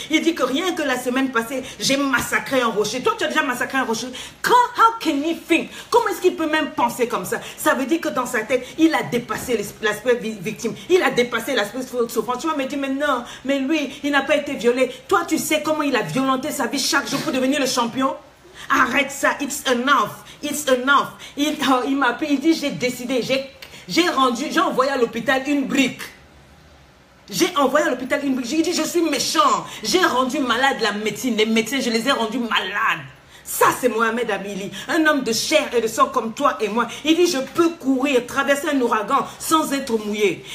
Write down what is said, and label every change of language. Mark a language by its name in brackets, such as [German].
[French] Il dit que rien que la semaine passée, j'ai massacré un rocher. Toi, tu as déjà massacré un rocher. [English] How can he think? [French] Comment est-ce qu'il peut même penser comme ça? Ça veut dire que dans sa tête, il a dépassé l'aspect victime. Il a dépassé l'aspect souffrance. Tu vas me dire, mais non, mais lui, il n'a pas été violé. Toi, tu sais comment il a violenté sa vie chaque jour pour devenir le champion? Arrête ça, [English] it's enough, it's enough. [French] Il m'a appelé, il dit, j'ai décidé, j'ai envoyé à l'hôpital une brique. J'ai envoyé à l'hôpital une brique. J'ai dit, je suis méchant. J'ai rendu malade la médecine. Les médecins, je les ai rendus malades. Ça, c'est Mohamed Amili. Un homme de chair et de sang comme toi et moi. Il dit, je peux courir, traverser un ouragan sans être mouillé.